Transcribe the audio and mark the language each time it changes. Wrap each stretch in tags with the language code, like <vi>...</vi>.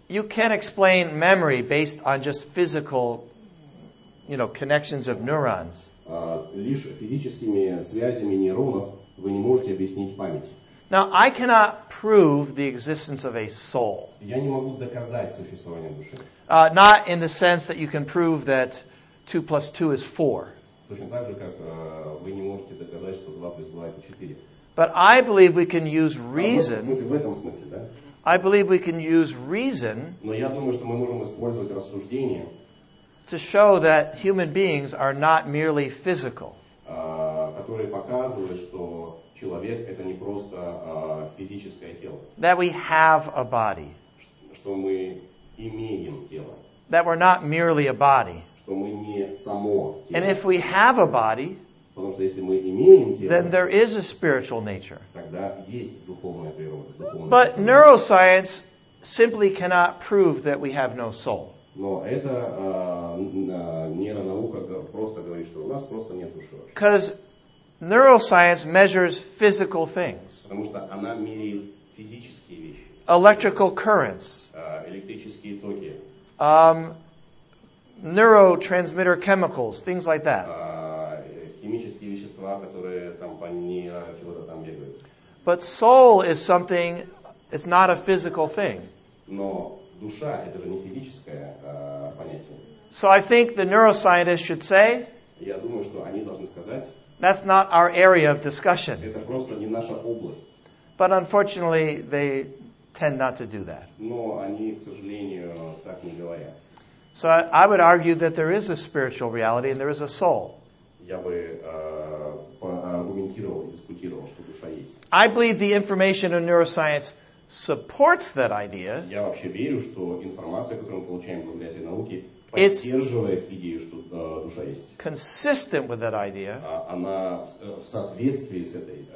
<en>You can't explain memory based on just physical, you know, connections of neurons.</en> <ru>Лишь физическими связями нейронов вы не можете объяснить память.</ru> <en>Now, I cannot prove the existence of a soul.</en> <ru>Я не могу доказать существование души.</ru> <en>Not in the sense that you can prove that 2 plus 2 is 4.</en> <ru>Точно так же, как вы не можете доказать, что 2 плюс 2 это 4.</ru> <en>But I believe we can use reason.</en> <ru>В этом смысле, да?</ru> <en>I believe we can use reason.</en> <ru>Но я думаю, что мы можем использовать рассуждение.</ru> <en>To show that human beings are not merely physical.</en> <ru>Которые показывают, что человек это не просто физическое тело.</ru> <en>That we have a body.</en> <ru>Что мы имеем тело.</ru> <en>That we're not merely a body.</en> <ru>Что мы не само тело.</ru> <en>And if we have a body,</en> <ru>потому что если мы имеем тело,</ru> <en>then there is a spiritual nature.</en> <ru>Тогда есть духовная природа.</ru> <en>But neuroscience simply cannot prove that we have no soul.</en> <ru>Но это нейронаука просто говорит, что у нас просто нет души.</ru> <en>Because neuroscience measures physical things.</en> <ru>Потому что она меряет физические вещи.</ru> <en>Electrical currents.</en> <ru>Электрические токи.</ru> <en>Neurotransmitter chemicals, things like that.</en> <ru>Химические вещества, которые там по нейро чего-то там бегают.</ru> <en>But soul is something, it's not a physical thing.</en> <ru>Но душа, это же не физическое понятие.</ru> <en>So I think the neuroscientists should say,</en> <ru>я думаю, что они должны сказать,</ru> <en>that's not our area of discussion.</en> <ru>Это просто не наша область.</ru> <en>But unfortunately, they tend not to do that.</en> <ru>Но они, к сожалению, так не говорят.</ru> <en>So I would argue that there is a spiritual reality and there is a soul.</en> <ru>Я бы аргументировал и дискутировал, что душа есть.</ru> <en>I believe the information in neuroscience supports that idea.</en> <ru>Я вообще верю, что информация, которую мы получаем благодаря этой науке, поддерживает идею, что душа есть.</ru> <en>Consistent with that idea.</en> <ru>Она в соответствии с этой.</ru>